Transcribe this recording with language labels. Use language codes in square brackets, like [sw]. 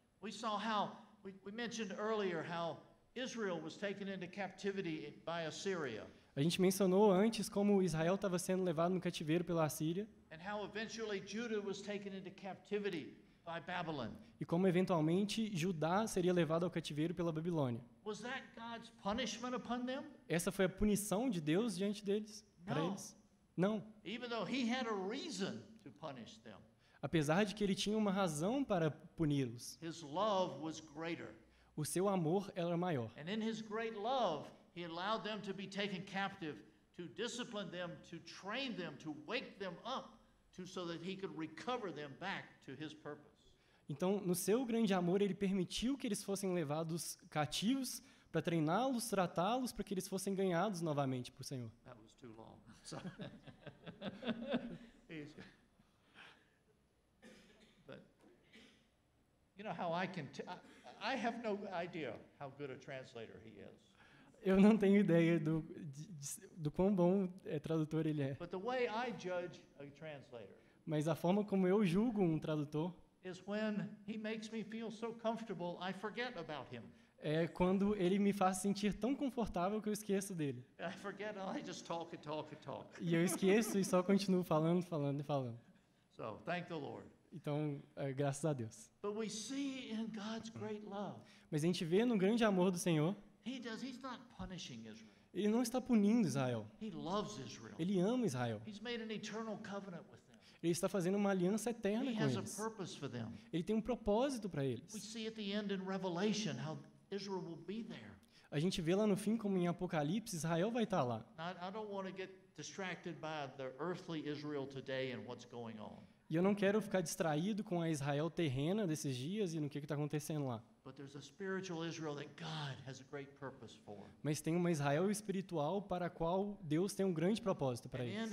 [en] We saw how, we mentioned earlier how Israel was taken into captivity by Assyria. [pt] A gente mencionou antes como Israel estava sendo levado no cativeiro pela Assíria. [en] And how eventually Judah was taken into captivity by Babylon. [pt] E como eventualmente Judá seria levado ao cativeiro pela Babilônia. [en] Was that God's punishment upon them? [pt] Essa foi a punição de Deus diante deles? [en] No. [pt] Para eles? Não. [en] Even though he had a reason to punish them. [pt] Apesar de que ele tinha uma razão para puni-los. [en] His love was greater. [pt] O seu amor era maior. [en] And in his great love, he allowed them to be taken captive, to discipline them, to train them, to wake them up, so that he could recover them back to his purpose. [pt] Então, no seu grande amor, ele permitiu que eles fossem levados cativos para treiná-los, tratá-los, para que eles fossem ganhados novamente por Senhor. [en] That was too long. Sorry. But you know how I can I have no idea how good a translator he is. [pt] Eu não tenho ideia do quão bom tradutor ele é. [en] But the way I judge a translator, [pt] mas a forma como eu julgo tradutor [en] is when he makes me feel so comfortable I forget about him. [pt] É quando ele me faz sentir tão confortável que eu esqueço dele. [en] I forget and I just talk and talk and talk. [pt] E eu esqueço e só continuo falando, falando e falando. [en] So, thank the Lord. [pt] Então, graças a Deus. [en] But we see in God's great love. [pt] Mas a gente vê no grande amor do Senhor. [en] He's not punishing Israel. [pt] Ele não está punindo Israel. [en] He loves Israel. [pt] Ele ama Israel. [en] He's made an eternal covenant with them. [pt] Ele está fazendo uma aliança eterna [en] he [pt] com [en] has [pt] eles. [en] A purpose for them. [pt] Ele tem um propósito para eles. [en] We see at the end in Revelation how Israel will be there. [pt] A gente vê lá no fim como em Apocalipse Israel vai estar lá. [en] I don't want to get distracted by the earthly Israel today and what's going on. [pt] E eu não quero ficar distraído com a Israel terrena desses dias e no que está acontecendo lá. [en] But there's a spiritual Israel that God has a great purpose for. [pt] Mas tem uma Israel espiritual para a qual Deus tem um grande propósito para eles.